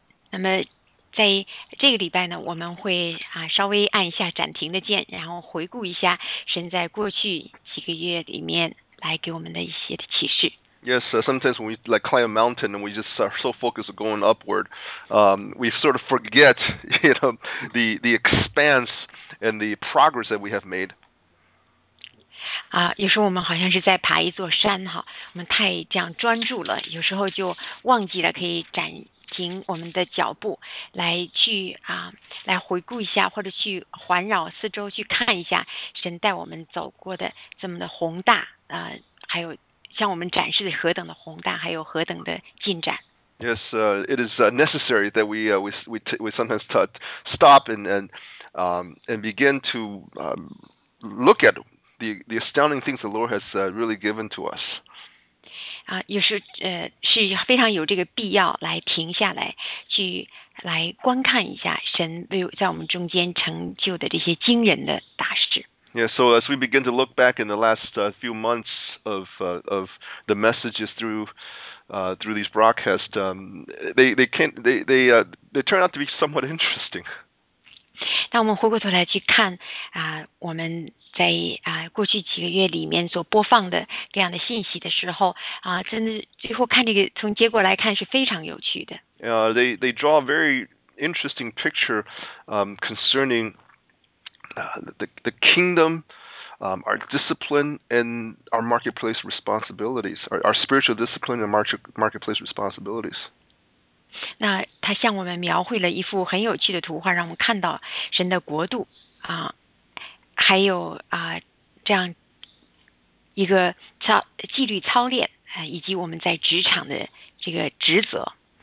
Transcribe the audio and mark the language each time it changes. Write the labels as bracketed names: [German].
[Chinese] 那么在这个礼拜呢，我们会稍微按一下暂停的键，然后回顾一下神在过去几个月里面来给我们的一些的启示。 [English] Yes, sometimes when we like climb a mountain and we just are so focused on going upward, we sort of forget, you know, the expanse and the progress that we have made. [Chinese] 有时候我们好像是在爬一座山哈，我们太这样专注了，有时候就忘记了可以暂停我们的脚步，来去来回顾一下，或者去环绕四周去看一下神带我们走过的这么的宏大还有。向我们展示的何等的宏大，还有何等的进展。 [English] Yes, it is necessary that we sometimes stop and begin to look at the astounding things the Lord has really given to us. [Chinese] 有时是非常有这个必要来停下来，去来观看一下神在我们中间成就的这些惊人的大事。 [English] Yeah, so as we begin to look back in the last few months of the messages through these broadcasts, they turn out to be somewhat interesting. [Chinese] 当我们回过头来去看我们在过去几个月里面所播放的这样的信息的时候真的最后看这个从结果来看是非常有趣的。 [English] They draw a very interesting picture concerning. The kingdom, our discipline and our marketplace responsibilities, our spiritual discipline and marketplace responsibilities. [Chinese] 那他向我们描绘了一幅很有趣的图画，让我们看到神的国度还有这样一个纪律操练以及我们在职场的这个职责。